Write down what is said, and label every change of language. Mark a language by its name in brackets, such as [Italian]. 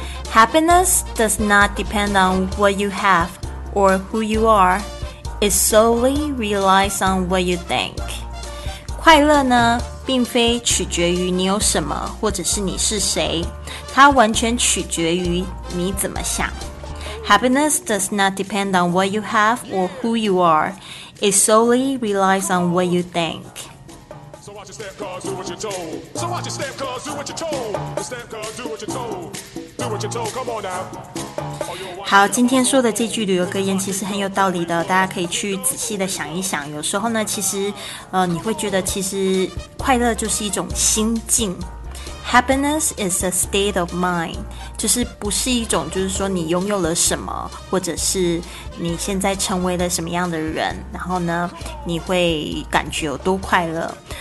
[English] Happiness does not depend on what you have or who you are. It solely relies on what you think. [Chinese] 快乐呢，并非取决于你有什么，或者是你是谁，它完全取决于你怎么想。 [English] Happiness does not depend on what you have or who you are. It solely relies on what you think. So watch your step, cause do what you're told. So watch your step, cause do what you're told. The step, cause do what you're told. Do what you're told, come on now. [Chinese] 好，今天说的这句旅游格言其实很有道理的，大家可以去仔细的想一想。有时候呢，其实你会觉得其实快乐就是一种心境。 [English] Happiness is a state of mind， [Chinese] 就是不是一种就是说你拥有了什么，或者是你现在成为了什么样的人，然后呢你会感觉有多快乐。